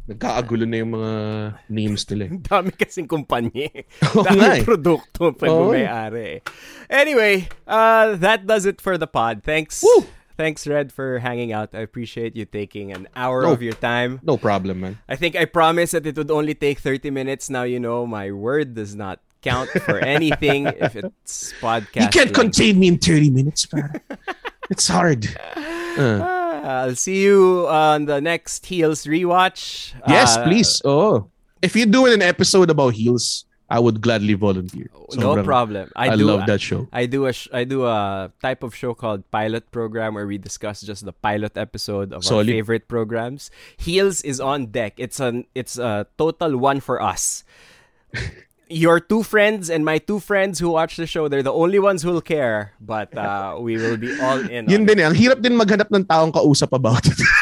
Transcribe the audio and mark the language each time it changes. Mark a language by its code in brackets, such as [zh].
[tl] Nagkaagulo na yung mga names nila. Dami kasing kumpanya. Dami produkto pag may-ari. [en] Anyway, that does it for the pod. Thanks. Woo! Thanks, Red, for hanging out. I appreciate you taking an hour of your time. No problem, man. I think I promised that it would only take 30 minutes. Now you know my word does not count for anything if it's podcast. You can't contain me in 30 minutes, man. It's hard. I'll see you on the next Heels rewatch. Yes, please. Oh, if you're doing an episode about Heels, I would gladly volunteer. So no problem. I love that show. I do a type of show called Pilot Program where we discuss just the pilot episode of our favorite programs. Heels is on deck. It's a total one for us. Your two friends and my two friends who watch the show, they're the only ones who'll care. But we will be all in. [tl] Yun din eh. Ang hirap din maghanap ng taong kausap [en] about it.